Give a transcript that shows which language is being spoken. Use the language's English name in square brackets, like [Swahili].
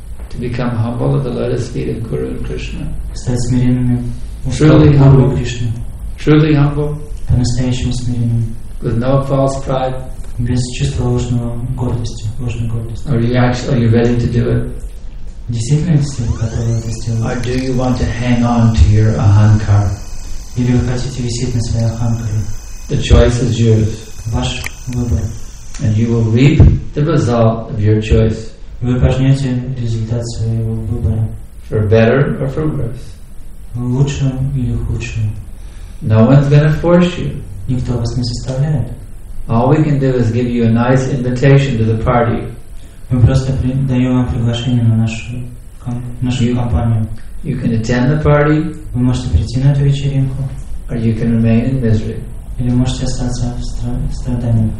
[English] To become humble at the lotus feet of Guru and Krishna. [Russian] Стать смиренными. [English] Truly humble. [Russian] Кришна. [English] Truly humble. [Russian] По-настоящему смиренным. [English] With no false pride. [Russian] Без чувства ложного гордости. Ложной гордости. [English] Are you ready to do it? [Russian] Действительно ли вы готовы это сделать? [English] Or do you want to hang on to your ahankar? [Russian] Или вы хотите висеть на своей ахамкаре? [English] The choice is yours. [Russian] Ваш выбор. [English] And you will reap the result of your choice. [Russian] Вы пожнете результат своего выбора. [English] For better or for worse. [Russian] Лучшим или худшим. [English] No one's going to force you. [Russian] Никто вас не заставляет. [English] All we can do is give you a nice invitation to the party. [Russian] Мы просто даем вам приглашение на нашу компанию. [English] You can attend the party. [Russian] Вы можете прийти на эту вечеринку. [English] or you can remain in misery. [Russian] Или можете остаться в страдании.